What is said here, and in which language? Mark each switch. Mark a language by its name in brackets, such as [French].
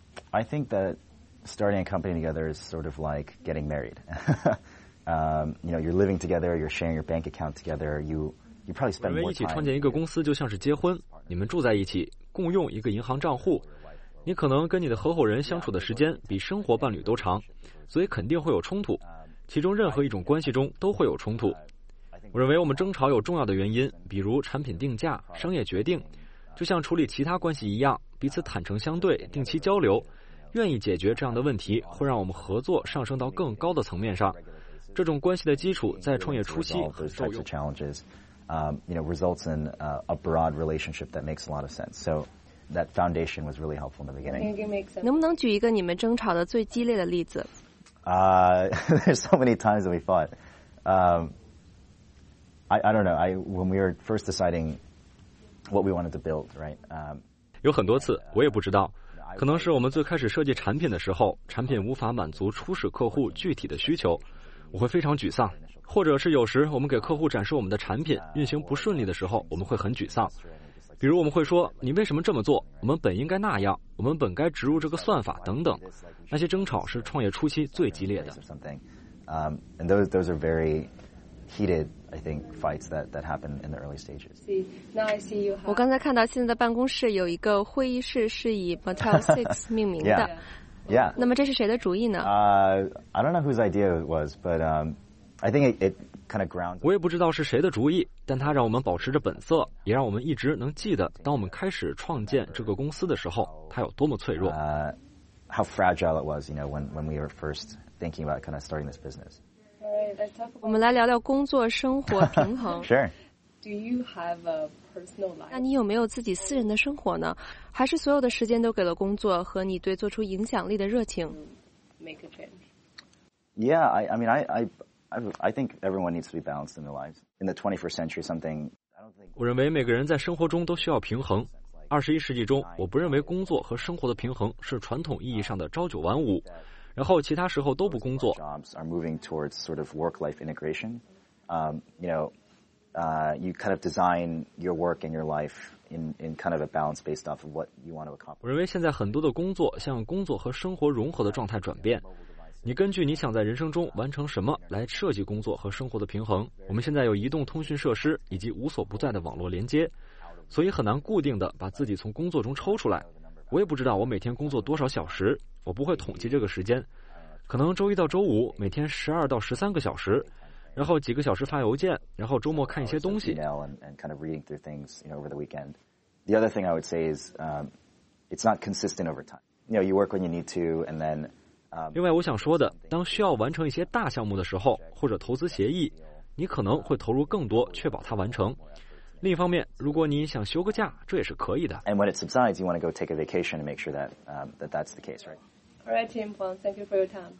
[English] I think that starting a company together is sort of like getting married. You know, you're living together, you're sharing your bank account together, you probably spend more time. [Chinese] 一起创建一个公司就像是结婚，你们住在一起，共用一个银行账户，你可能跟你的合伙人相处的时间比生活伴侣都长，所以肯定会有冲突，其中任何一种关系中都会有冲突。我认为我们争吵有重要的原因，比如产品定价、商业决定，就像处理其他关系一样，彼此坦诚相对，定期交流，愿意解决这样的问题，会让我们合作上升到更高的层面上。这种关系的基础在创业初期很受用。 [English] Results in a broad relationship that makes a lot of sense. So that foundation was really helpful in the beginning. [Chinese] 能不能举一个你们争吵的最激烈的例子？ [English] There's so many times that we fought. I don't know. When we were first deciding what we wanted to build, right? [Chinese] 有很多次，我也不知道。可能是我们最开始设计产品的时候，产品无法满足初始客户具体的需求，我会非常沮丧。或者是有时我们给客户展示我们的产品运行不顺利的时候，我们会很沮丧。比如我们会说，你为什么这么做？我们本应该那样，我们本该植入这个算法等等。那些争吵是创业初期最激烈的。 [English] And those are very heated, I think, fights that happen in the early stages. [Chinese] 我刚才看到现在的办公室有一个会议室是以 Motel 6 命名的。 [English] Yeah. [Chinese] 那么这是谁的主意呢？ [English] I don't know whose idea it was, but I think it kind of grounds. [Chinese] 我也不知道是谁的主意，但它让我们保持着本色，也让我们一直能记得，当我们开始创建这个公司的时候，它有多么脆弱。 [English] How fragile it was, you know, when we were first thinking about kind of starting this business. All right, let's talk. [Chinese] 我们来聊聊工作生活平衡。 [English] Sure. Do you have a personal life? [Chinese] 那你有没有自己私人的生活呢？还是所有的时间都给了工作和你对做出影响力的热情？ [English] Make a change. Yeah, I think everyone needs to be balanced in their lives. In the 21st century, something. [Chinese] 我认为每个人在生活中都需要平衡。21世纪中，我不认为工作和生活的平衡是传统意义上的朝九晚五，然后其他时候都不工作。 [English] Jobs are moving towards sort of work-life integration. You know, you kind of design your work and your life in kind of a balance based off of what you want to accomplish. [Chinese] 我认为现在很多的工作向工作和生活融合的状态转变。你根据你想在人生中完成什么来设计工作和生活的平衡。我们现在有移动通讯设施以及无所不在的网络连接，所以很难固定的把自己从工作中抽出来。我也不知道我每天工作多少小时，我不会统计这个时间，可能周一到周五每天12到13个小时，然后几个小时发邮件，然后周末看一些东西。 [English] The other thing I would say is it's not consistent over time. You know, you work when you need to and then [Chinese] 另外我想说的，当需要完成一些大项目的时候，或者投资协议，你可能会投入更多确保它完成。另一方面，如果你想休个假，这也是可以的。 [English] And when it subsides, you want to go take a vacation and make sure that, that that's the case, right? All right, Tim Fong, thank you for your time.